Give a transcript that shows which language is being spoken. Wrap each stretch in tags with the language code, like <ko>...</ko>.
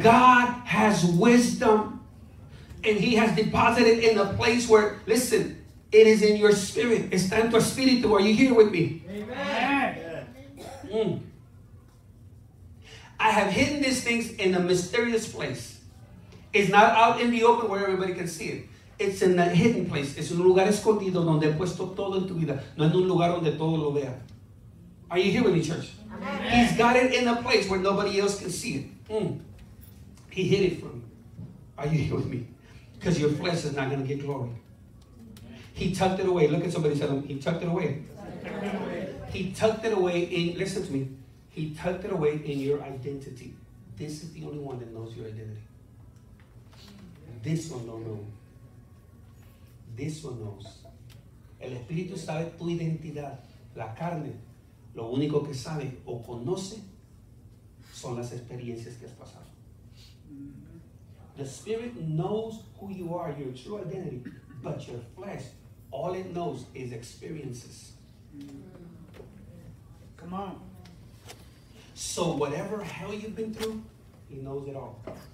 <en>God has wisdom and he has deposited in a place where, listen, it is in your spirit. It's time for spirit. Are you here with me? Amen. I have hidden these things in a mysterious place. It's not out in the open where everybody can see it. It's in a hidden place.</en> <es>Es un lugar escondido donde he puesto todo en tu vida. No en un lugar donde todo lo vea.</es> <en>Are you here with me, church? Amen. He's got it in a place where nobody else can see it. He hid it from you. Are you here with me? Because your flesh is not going to get glory. He tucked it away. Look at somebody. Tell him. He tucked it away. He tucked it away in, listen to me. He tucked it away in your identity. This is the only one that knows your identity. This one don't know. This one knows.</en> <es>El Espíritu sabe tu identidad. La carne, lo único que sabe o conoce son las experiencias que has pasado.</es> <en>The Spirit knows who you are, your true identity, but your flesh, all it knows is experiences. Come on. So whatever hell you've been through, he knows it all.</en>